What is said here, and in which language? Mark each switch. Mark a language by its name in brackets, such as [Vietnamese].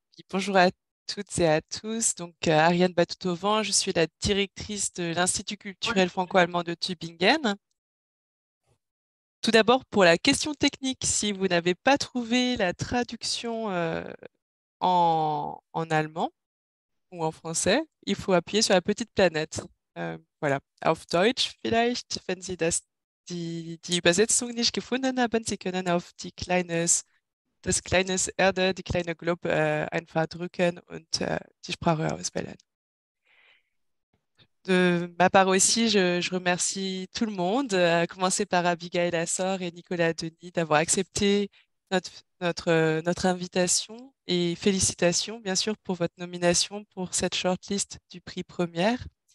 [French] Bonjour à toutes et à tous. Donc Ariane Batutovan, je suis la directrice de l'Institut culturel franco-allemand de Tübingen. Tout d'abord, pour la question technique, si vous n'avez pas trouvé la traduction en allemand ou en français, il faut appuyer sur la petite planète. [German] Voilà, auf Deutsch vielleicht, wenn Sie das. Die Übersetzung nicht gefunden haben, Sie können auf das kleine Erde, die kleine Globe einfach drücken und die Sprache auswählen. [French] De ma part aussi, je remercie tout le monde, à commencer par Abigail Assor et Nicolas Denis d'avoir accepté notre invitation et félicitations, bien sûr, pour votre nomination pour cette shortlist du prix Première.